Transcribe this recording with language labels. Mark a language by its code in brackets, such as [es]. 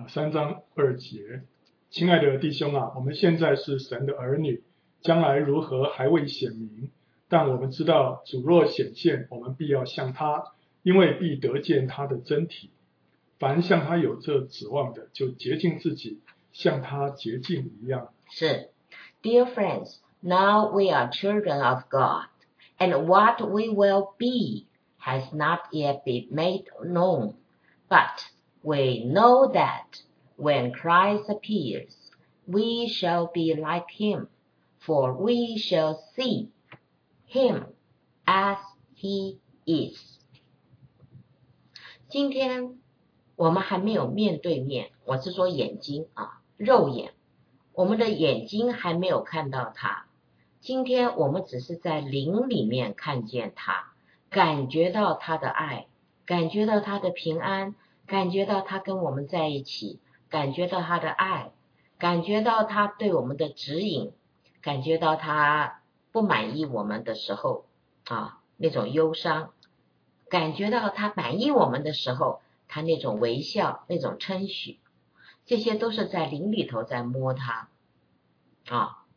[zh] 3:2，亲爱的弟兄啊，我们现在是神的儿女，将来如何还未显明。但我们知道主若显现，我们必要像他，因为必得见他的真体。凡像他有这指望的，就洁净自己，像他洁净一样。 [en] 是 Dear friends, now we are children of God, and what we will be has not yet been made known. But we know that when Christ appears, we shall be like him, for we shall seeHim as he is. [zh] 今天我们还没有面对面，我是说眼睛啊，肉眼，我们的眼睛还没有看到他。今天我们只是在灵里面看见他，感觉到他的爱，感觉到他的平安，感觉到他跟我们在一起，感觉到他的爱，感觉到他对我们的指引，感觉到他不满意我们的时候啊，那种忧伤，感觉到他满意我们的时候，他那种微笑，那种称许，这些都是在灵里头在摸他啊。